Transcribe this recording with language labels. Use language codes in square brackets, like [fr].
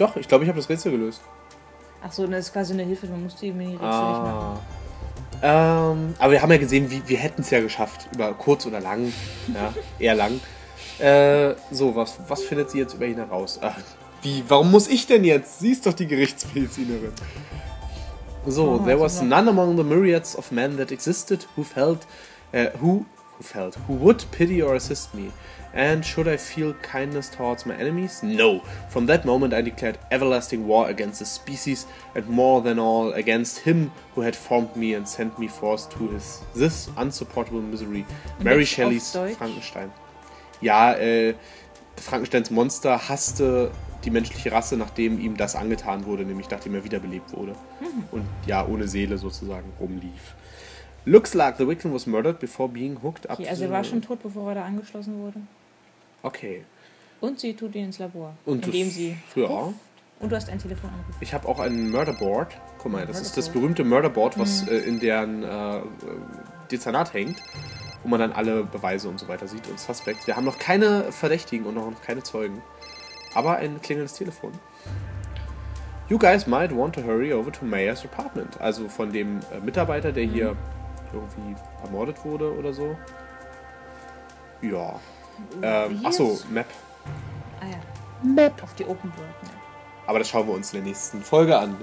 [de] Doch, ich glaube, ich habe das Rätsel gelöst. Ach so, das ist quasi eine Hilfe, man muss die Mini-Rätsel nicht machen. Aber wir haben ja gesehen, wir hätten es ja geschafft. Über kurz oder lang. Ja, eher lang. So, was findet sie jetzt über ihn heraus? Ach, wie, warum muss ich denn jetzt? Sie ist doch die Gerichtsmedizinerin. [en] So, there was none among the myriads of men that existed who felt, who would pity or assist me. And should I feel kindness towards my enemies? No. From that moment I declared everlasting war against the species and more than all against him who had formed me and sent me forth to his this unsupportable misery. Mary Shelley's Frankenstein. [de] Ja, Frankensteins Monster hasste die menschliche Rasse, nachdem ihm das angetan wurde, nämlich nachdem er wiederbelebt wurde und ja, ohne Seele sozusagen rumlief. [en] Looks like the victim was murdered before being hooked up. [de] Okay, also er war schon tot, bevor er da angeschlossen wurde. Okay. Und sie tut ihn ins Labor, und indem sie... Früher auch. Und du hast ein Telefon angerufen. Ich habe auch ein Murderboard. Guck mal, das ist das berühmte Murderboard, was in deren Dezernat hängt, wo man dann alle Beweise und so weiter sieht und Suspects. Wir haben noch keine Verdächtigen und noch keine Zeugen. Aber ein klingelndes Telefon. [en] You guys might want to hurry over to Mayor's apartment. [de] Also von dem Mitarbeiter, der hier irgendwie ermordet wurde oder so. Ja. Achso, Map. Ah ja. Map. Auf die Open World. Ja. Aber das schauen wir uns in der nächsten Folge an.